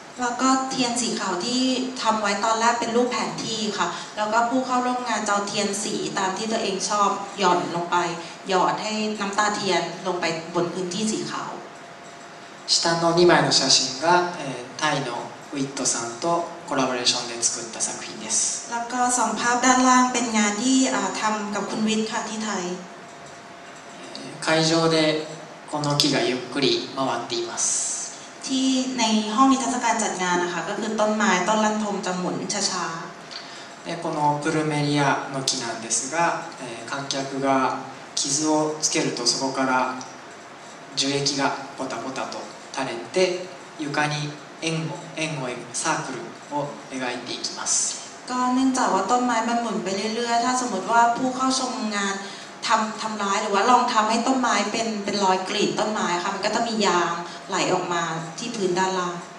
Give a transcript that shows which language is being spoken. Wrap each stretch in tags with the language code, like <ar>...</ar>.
<th>แล้วก็เทียนสีขาวที่ทำไว้ตอนแรกเป็นรูปแผนที่ค่ะแล้วก็ผู้เข้าร่วมงานจะเอาเทียนสีตามที่ตัวเองชอบหย่อนลงไปหยอดให้น้ำตาเทียนลงไปบนพื้นที่สีขาว</th> <ja>下の2枚の写真がタイのウィットさんとコラボレーションで作った作品です</ja> <th>แล้วก็2ภาพด้านล่างเป็นงานที่ทำกับคุณวิทย์ค่ะที่ไทย</th> <ja>会場でこの木がゆっくり回っています</ja> <th>ที่ในห้องนิทรรศการจัดงานนะคะก็คือต้นไม้ต้นลันธมจะหมุนช้า</th> <ja>ๆでこのプルメリアの木なんですが観客が傷をつけるとそこから樹液がポタポタと垂れて床に円をサークルを描いていきます</ja> <th>ก็เนื่องจากว่าต้นไม้มันหมุนไปเรื่อยๆถ้าสมมติว่าผู้เข้าชมงานทำร้ายหรือว่าลองทำให้ต้นไม้เป็นรอยกรีดต้นไม้ค่ะมันก็จะมียางไหลออกมาที่พื้นด้านล่าง</th>